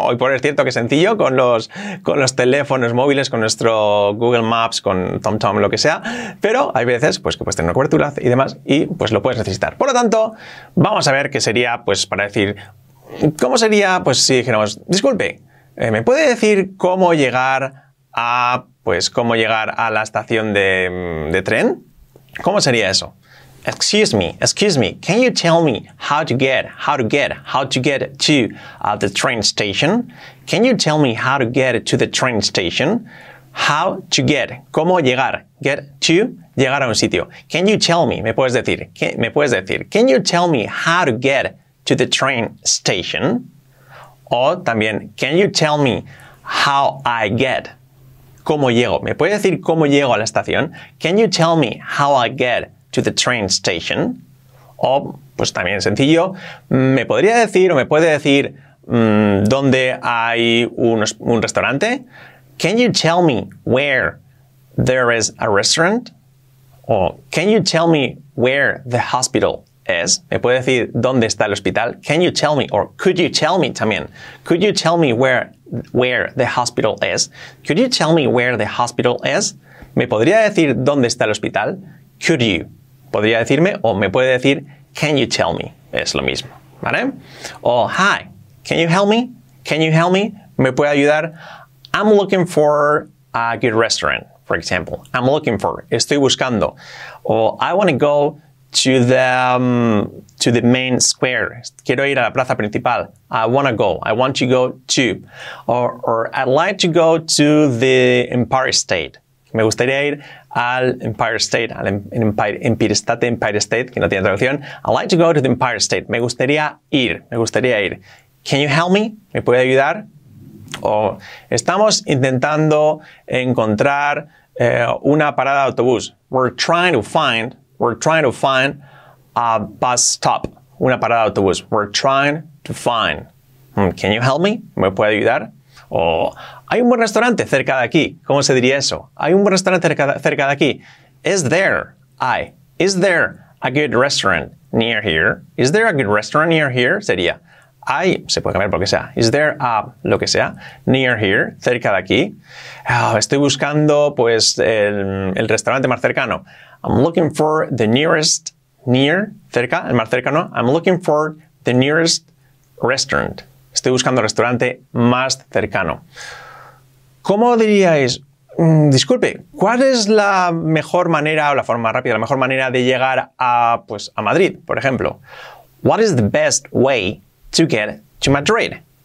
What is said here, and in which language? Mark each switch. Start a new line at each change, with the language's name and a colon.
Spanish: Hoy por hoy es cierto que es sencillo con los teléfonos móviles, con nuestro Google Maps, con TomTom, lo que sea, pero hay veces pues que puedes tener una cobertura y demás y pues lo puedes necesitar. Por lo tanto, vamos a ver qué sería pues para decir, ¿cómo sería pues si dijéramos, disculpe, ¿me puede decir cómo llegar a la estación de tren? ¿Cómo sería eso?
English: Excuse me, can you tell me how to get to the train station? Can you tell me how to get to the train station? How to get,
Spanish: cómo llegar,
English: get to,
Spanish: llegar a un sitio.
English: Can you tell me,
Spanish: me puedes decir,
English: can you tell me how to get to the train station?
Spanish: O también,
English: can you tell me how I get,
Spanish: cómo llego, me puedes decir cómo llego a la estación?
English: Can you tell me how I get to the train station?
Spanish: O, pues también sencillo, ¿me podría decir o me puede decir dónde hay un restaurante?
English: Can you tell me where there is a restaurant? O, can you tell me where the hospital is?
Spanish: ¿Me puede decir dónde está el hospital?
English: Can you tell me, or could you tell me
Spanish: también,
English: could you tell me where the hospital is? Could you tell me where the hospital is?
Spanish: ¿Me podría decir dónde está el hospital?
English: Could you,
Spanish: podría decirme, o me puede decir,
English: can you tell me,
Spanish: es lo mismo, ¿vale?
English: O, hi, can you help me,
Spanish: me puede ayudar,
English: I'm looking for a good restaurant, for example, I'm looking for,
Spanish: estoy buscando,
English: o I want to go to the main square,
Spanish: quiero ir a la plaza principal,
English: I want to go to, or I'd like to go to the Empire State,
Spanish: me gustaría ir al Empire State, al Empire State, que no tiene traducción.
English: I'd like to go to the Empire State.
Spanish: Me gustaría ir.
English: Can you help me?
Spanish: ¿Me puede ayudar? O estamos intentando encontrar una parada de autobús.
English: We're trying to find a bus stop.
Spanish: Una parada de autobús.
English: We're trying to find. Can you help me?
Spanish: ¿Me puede ayudar? O, hay un buen restaurante cerca de aquí. ¿Cómo se diría eso? Hay un buen restaurante cerca de aquí.
English: Is there a good restaurant near here? Is there a good restaurant near here?
Spanish: Sería, hay, se puede cambiar por lo que sea.
English: Is there a,
Spanish: lo que sea,
English: near here,
Spanish: cerca de aquí. Estoy buscando, pues, el restaurante más cercano.
English: I'm looking for the nearest, near, cerca,
Spanish: el más cercano.
English: I'm looking for the nearest restaurant.
Spanish: Estoy buscando el restaurante más cercano. ¿Cómo diríais? Disculpe, ¿cuál es la mejor manera o la forma rápida, la mejor manera de llegar a, pues, a Madrid, por ejemplo?
English: What is the best way to get to Madrid?